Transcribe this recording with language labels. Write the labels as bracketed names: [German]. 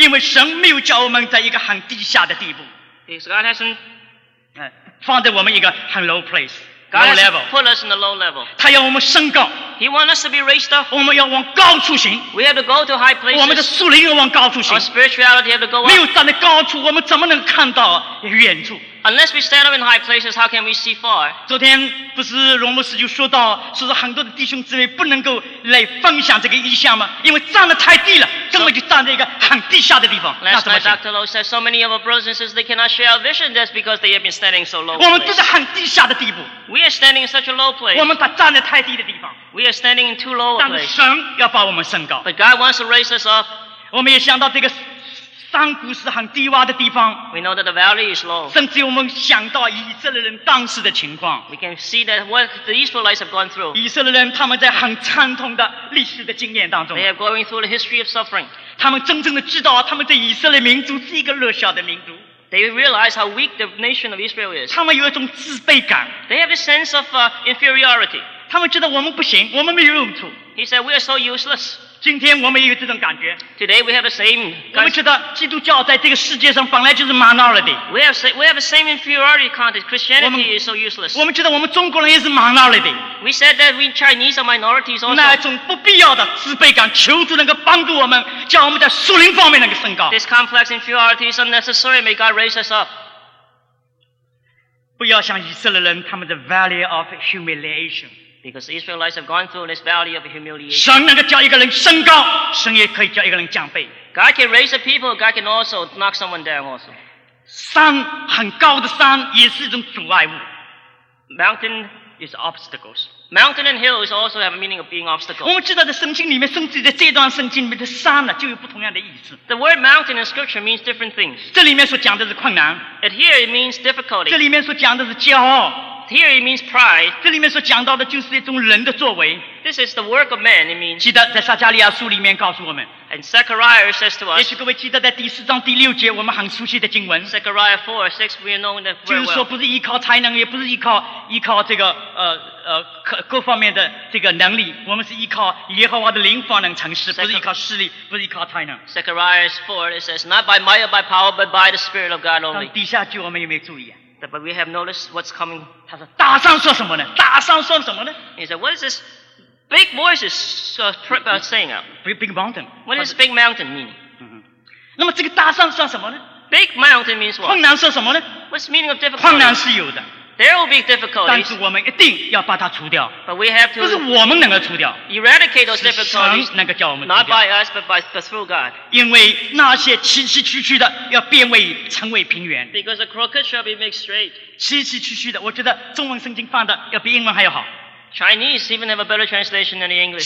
[Chinese] 因为神没有叫我们在一个很低下的地步。 [English] Because God hasn't [Chinese] 放在我们一个很 [English] low place. God has put us in the low level. [Chinese] 他要我们升高。 [English] He wants us to be raised up. [Chinese] 我们要往高处行。 [English] We have to go to high places. [Chinese] 我们的属灵要往高处行。 [English] Our spirituality have to go up. [Chinese] 没有站在高处，我们怎么能看到远处？ [English] Unless we stand up in high places, how can we see far? [Chinese] 昨天不是荣牧师就说到，说很多的弟兄姊妹不能够来分享这个意象吗？因为站得太低了，根本就站在一个很低下的地方。 [English] Last night, Dr. Low said so many of our brothers and sisters they cannot share our vision. That's because they have been standing so low. [Chinese] 我们都在很低下的地步。 [English] We are standing in such a low place. [Chinese] 我们站在太低的地方。 [English] We are standing in too low a place. [Chinese] 但是神要把我们升高。 [English] But God wants to raise us up. [Chinese] 我们也想到这个山谷是很低洼的地方。 [English] We know that the valley is low. [Chinese] 甚至我们想到以色列人当时的情况。 [English] We can see that what the Israelites have gone through. [Chinese] 以色列人他们在很惨痛的历史的经验当中。 [English] They are going through the history of suffering. [Chinese] 他们真正的知道他们在以色列民族是一个弱小的民族。 [English] They realize how weak the nation of Israel is. [Chinese] 他们有一种自卑感。 [English] They have a sense of inferiority. [Chinese] 他们知道我们不行，我们没有用处。 [English] He said we are so useless. [Chinese] 今天我们也有这种感觉。 [English] Today we have the same. [Chinese] 我们觉得基督教在这个世界上本来就是 minority. [English] We have the same inferiority context. Christianity is so useless. [Chinese] 我们觉得我们中国人也是 minority. [English] We said that we Chinese are minorities also. [Chinese] 那种不必要的自卑感，求主能够帮助我们，叫我们在属灵方面能够升高。 [English] This complex inferiority is unnecessary. May God raise us up. [Chinese] 不要像以色列人他们的 [English] valley of humiliation. Because the Israelites have gone through this valley of humiliation. [Chinese] 神能够叫一个人升高，神也可以叫一个人降卑。 [English] God can raise a people, God can also knock someone down also. [Chinese] 山，很高的山也是一种阻碍物。 [English] Mountain is obstacles. Mountain and hills also have a meaning of being obstacles. [Chinese] 我们知道在圣经里面，甚至在这段圣经里面的山呢，就有不同样的意思。 [English] The word mountain in scripture means different things. [Chinese] 这里面所讲的是困难。 [English] And here it means difficulty. [Chinese] 这里面所讲的是骄傲。 [English] Here it means pride. [Chinese] 这里面所讲到的就是一种人的作为。 [English] This is the work of man. It means. [Chinese] 记得在撒加利亚书里面告诉我们。 [English] And Zechariah says to us. [Chinese] 也许各位记得在第四章第六节我们很熟悉的经文。 [English] Zechariah 4:6, we know that very well. [Chinese] 就是说，不是依靠才能，也不是依靠这个各方面的这个能力，我们是依靠耶和华的灵方能成事，不是依靠势力，不是依靠才能。 [English] Zechariah 4 it says, not by might or by power, but by the Spirit of God only. [Chinese] 底下句我们有没有注意啊？ [English] But we have noticed what's coming. [Chinese] 他说：“大声说什么呢？大声说什么呢 [English] ？”He said, "What is this big voice is saying?" Big mountain. What does big mountain mean? [Chinese] 那么这个大声说什么呢 [English] ？Big mountain means what? [Chinese] 困难说什么呢 [English] ？What's the meaning of difficulty? [Chinese] 困难是有的。 [English] There will be difficulties. [Chinese] 但是我们一定要把它除掉。 [English] But we have to. [Chinese] 不是我们能够除掉。 [English] Eradicate those difficulties. [Chinese] 是神能够叫我们除掉。 [English] Not by us, but through God. [Chinese] 因为那些崎崎岖岖的要变为成为平原。 [English] Because the crooked shall be made straight. [Chinese] 崎崎岖岖的，我觉得中文圣经放的要比英文还要好。 [English] Chinese even have a better translation than the English.